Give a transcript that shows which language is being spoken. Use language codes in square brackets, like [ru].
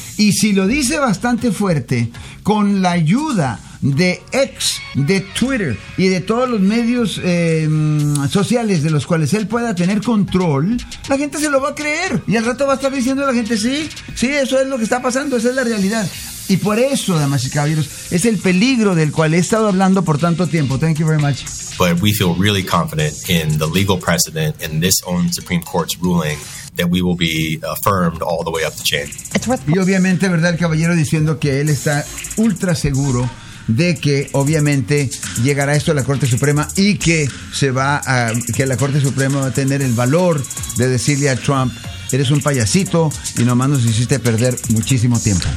[es] Y si lo dice bastante fuerte, con la ayuda de X, de Twitter y de todos los medios sociales de los cuales él pueda tener control, la gente se lo va a creer. Y al rato va a estar diciendo a la gente, sí, sí, eso es lo que está pasando, esa es la realidad. Y por eso, damas y caballeros, es el peligro del cual he estado hablando por tanto tiempo. [en] Thank you very much. But we feel really confident in the legal precedent in this own Supreme Court's ruling that we will be affirmed all the way up the chain. [es] Y obviamente, ¿verdad?, el caballero diciendo que él está ultra seguro de que obviamente llegará esto a la Corte Suprema y que se va a que la Corte Suprema va a tener el valor de decirle a Trump: eres un payasito y nomás nos hiciste perder muchísimo tiempo.